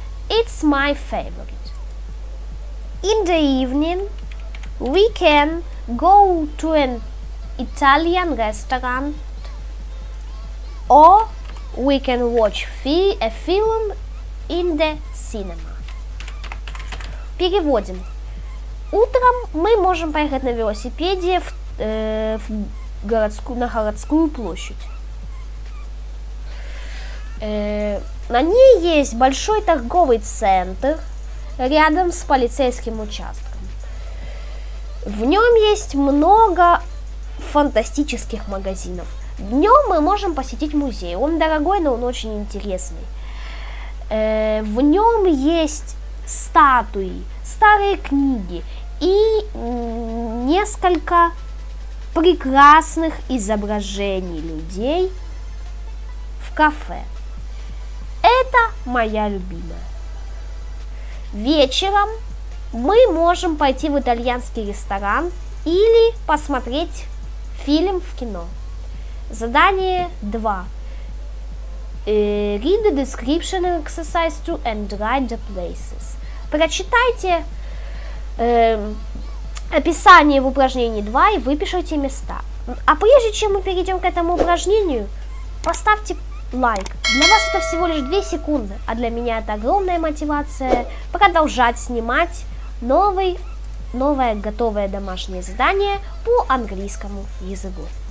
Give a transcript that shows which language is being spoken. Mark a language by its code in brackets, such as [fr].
[en] It's my favorite. In the evening, we can go to an Italian restaurant or we can watch a film in the cinema. [ru] Переводим. Утром мы можем поехать на велосипеде на городскую площадь. На ней есть большой торговый центр рядом с полицейским участком. В нем есть много фантастических магазинов. Днем мы можем посетить музей. Он дорогой, но он очень интересный. В нем есть статуи, старые книги и несколько прекрасных изображений людей в кафе. Это моя любимая. Вечером мы можем пойти в итальянский ресторан или посмотреть фильм в кино. Задание 2. [en] Read the description and exercise 2 and write the places. [ru] Прочитайте описание в упражнении 2 и выпишите места. А прежде чем мы перейдем к этому упражнению, поставьте лайк. Для вас это всего лишь 2 секунды, а для меня это огромная мотивация продолжать снимать новое готовое домашнее задание по английскому языку.